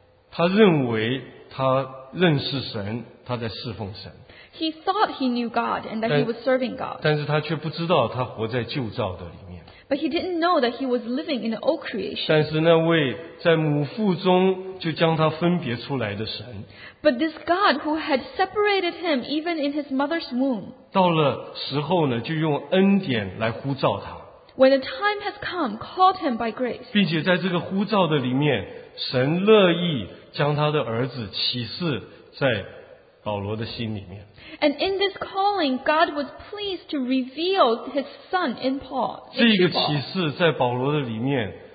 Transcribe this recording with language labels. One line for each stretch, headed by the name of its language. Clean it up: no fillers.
Chinese: 他认为他认识神，他在侍奉神。
English: He thought he knew God and that he was serving God.
Chinese: 但是他却不知道他活在旧造的里面。
English: But he didn't know that he was living in the old creation.
Chinese: 但是那位在母腹中就将他分别出来的神。
English: But this God who had separated him even in his mother's womb.
Chinese: 到了时候呢，就用恩典来呼召他。
English: When the time has come, called him by grace.
Chinese: 并且在这个呼召的里面，神乐意将他的儿子启示在保罗的心里面。
English: And in this calling, God was pleased to reveal His Son in Paul.
Chinese: 这个启示在保罗的里面